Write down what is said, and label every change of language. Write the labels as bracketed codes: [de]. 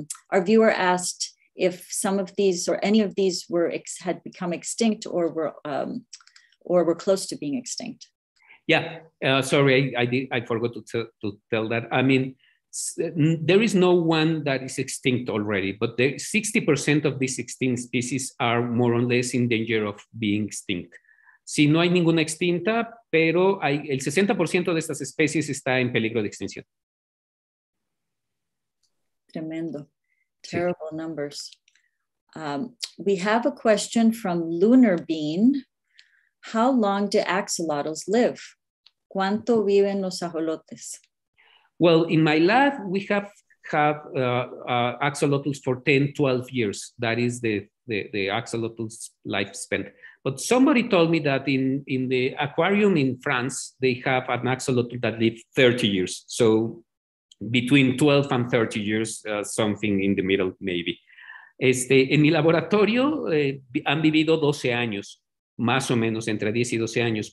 [en] Our viewer asked if some of these or any of these had become extinct or were close to being extinct. Yeah, sorry, I forgot to tell that. I mean, there is no one that is extinct already, but 60% of these extinct species are more or less in danger of being extinct. [es] Si no hay ninguna extinta, pero el 60% de estas especies está en peligro de extinción. Tremendo. Terrible sí. [en] Numbers. We have a question from Lunar Bean. How long do axolotls live? [es] ¿Cuánto viven los ajolotes? [en] Well, in my lab, we have axolotls for 10, 12 years. That is the axolotls' life span. But somebody told me that in the aquarium in France, they have an axolotl that lived 30 years. So between 12 and 30 years, something in the middle, maybe. [es] En mi laboratorio han vivido 12 años, más o menos entre 10 y 12 años.